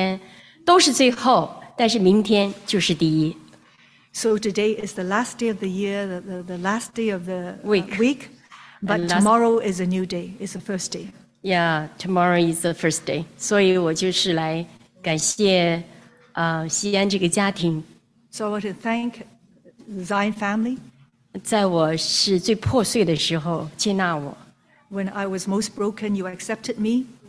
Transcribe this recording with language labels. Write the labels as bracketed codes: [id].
[zh] 我想今天也是最后一天，也是最后一星期的最后一天，都是最后，但是明天就是第一。 [en] So today is the last day of the year, the last day of the week. But tomorrow is a new day. It's the first day. Yeah, tomorrow is the first day. [zh] 所以我就是来感谢 西安这个家庭。 [en] So I want to thank Zion family. [zh] 在我是最破碎的时候接纳我。 [en] When I was most broken, you accepted me.